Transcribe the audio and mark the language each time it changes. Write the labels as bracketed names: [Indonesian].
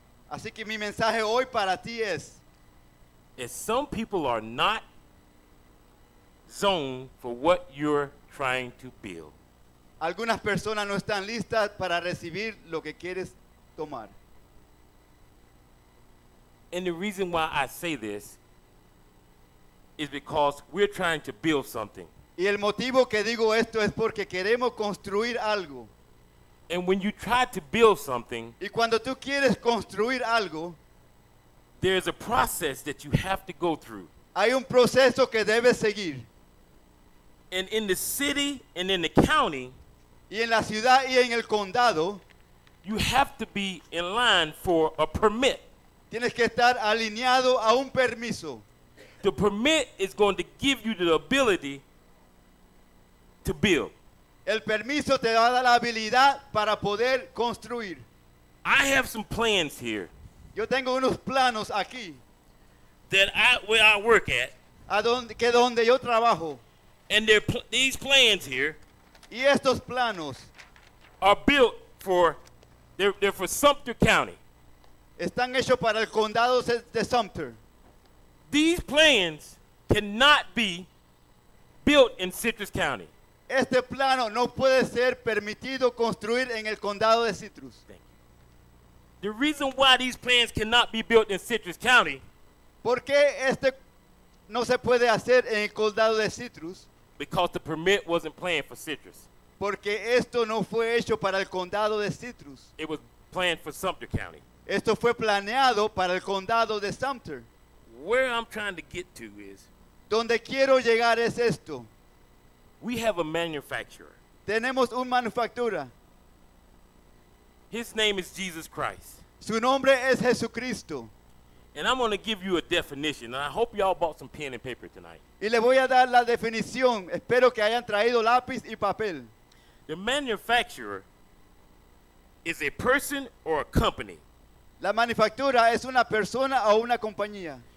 [Spanish] Así que mi mensaje hoy para ti es, [English] if some people are not zoned for what you're trying to build, [Spanish] algunas personas no están listas para recibir lo que quieres tomar. [English] And the reason why I say this is because we're trying to build something. [Spanish] Y el motivo que digo esto es porque queremos construir algo. [English] And when you try to build something, [Spanish] y cuando tú quieres construir algo, [English] there's a process that you have to go through. [Spanish] Hay un proceso que debes seguir. [English] And in the city and in the county, [Spanish] y en la ciudad y en el condado, [English] you have to be in line for a permit. [Spanish] Tienes que estar alineado a un permiso. [English] The permit is going to give you the ability to build. [Spanish] El permiso te va a dar la habilidad para poder construir. [English] I have some plans here. [Spanish] Yo tengo unos planos aquí. [English] That I, where I work at. [Spanish] A donde, que donde yo trabajo. [English] And these plans here. [Spanish] Y estos planos. [English] Are built for, they're for Sumter County. [Spanish] Están hechos para el condado de Sumter. [English] These plans cannot be built in Citrus County. [Spanish] Este plano no puede ser permitido construir en el condado de Citrus. [English] Thank you. The reason why these plans cannot be built in Citrus County. [Spanish] ¿Por qué este no se puede hacer en el condado de Citrus? [English] Because the permit wasn't planned for Citrus. [Spanish] Porque esto no fue hecho para el condado de Citrus. [English] It was planned for Sumter County. [Spanish] Esto fue planeado para el condado de Sumter. [English] Where I'm trying to get to is. [Spanish] Donde quiero llegar es esto. [English] We have a manufacturer. [Spanish] Tenemos un manufactura. [English] His name is Jesus Christ. [Spanish] Su nombre es Jesucristo. [English] And I'm going to give you a definition. And I hope y'all bought some pen and paper tonight. [Spanish] Y le voy a dar la definición. Espero que hayan traído lápiz y papel. [English] The manufacturer is a person or a company. [Spanish] La manufactura es una persona o una compañía.